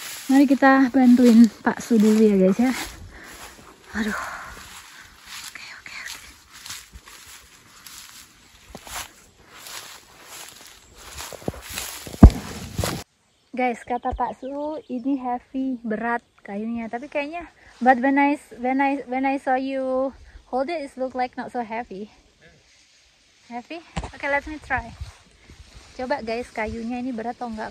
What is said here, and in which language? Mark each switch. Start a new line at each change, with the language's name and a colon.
Indonesian: Mari kita bantuin Pak Su dulu ya, guys ya. Aduh. Guys, kata Pak Su, ini heavy, berat kayunya. Tapi kayaknya
English: but when I saw you hold it, it looks like not so heavy. Heavy? Okay, let me try.
Indonesian: Coba guys, kayunya ini berat atau enggak?